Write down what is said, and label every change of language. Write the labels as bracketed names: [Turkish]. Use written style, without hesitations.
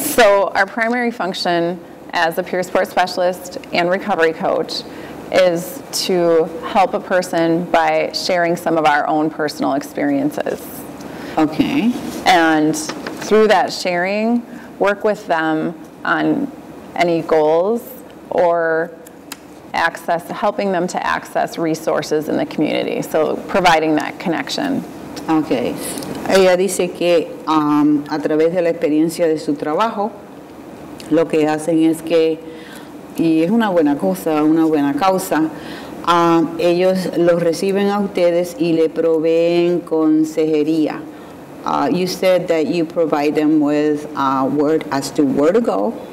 [English] So our primary function as a peer support specialist and recovery coach is to help a person by sharing some of our own personal experiences. Okay. And through that sharing, work with them on any goals or access, helping them to access resources in the community. So providing that connection. Okay. [Spanish] Ella dice que a través de la experiencia de su trabajo, lo que hacen es que, y es una buena cosa, una buena causa, ellos los reciben a ustedes y le proveen consejería. [English] You said that you provide them with a word as to where to go.